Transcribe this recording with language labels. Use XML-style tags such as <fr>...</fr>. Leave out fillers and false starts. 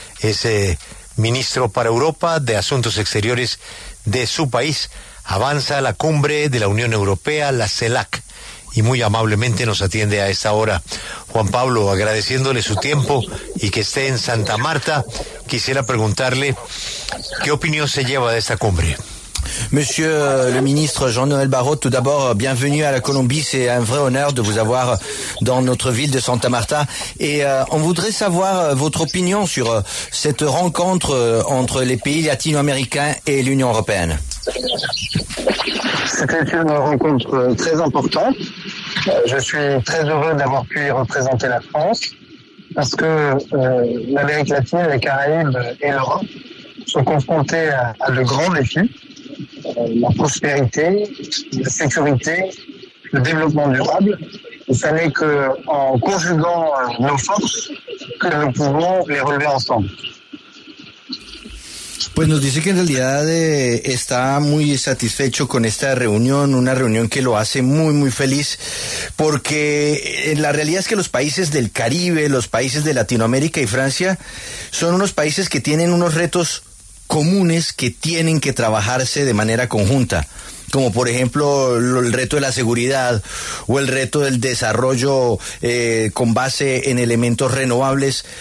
<es>Es ministro para Europa de Asuntos Exteriores de su país. Avanza la cumbre de la Unión Europea, la CELAC. Y muy amablemente nos atiende a esta hora. Juan Pablo, agradeciéndole su tiempo y que esté en Santa Marta, quisiera preguntarle qué opinión se lleva de esta cumbre.</es> <fr>Monsieur le ministre Jean-Noël Barrot, tout d'abord, bienvenue à la Colombie. C'est un vrai honneur de vous avoir dans notre ville de Santa Marta. Et on voudrait savoir votre opinion sur cette rencontre entre les pays latino-américains et l'Union européenne. C'était une rencontre très importante. Je suis très heureux d'avoir pu y représenter la France parce que l'Amérique latine, les Caraïbes et l'Europe sont confrontés à de grands défis. La prospérité, la sécurité, le développement durable. Et ça n'est qu'en conjuguant nos forces que nous pouvons les relever ensemble.</fr> <es>Pues nos dice que en realidad está muy satisfecho con esta reunión, una reunión que lo hace muy, muy feliz, porque la realidad es que los países del Caribe, los países de Latinoamérica y Francia son unos países que tienen unos retos comunes que tienen que trabajarse de manera conjunta, como por ejemplo el reto de la seguridad o el reto del desarrollo con base en elementos renovables.</es>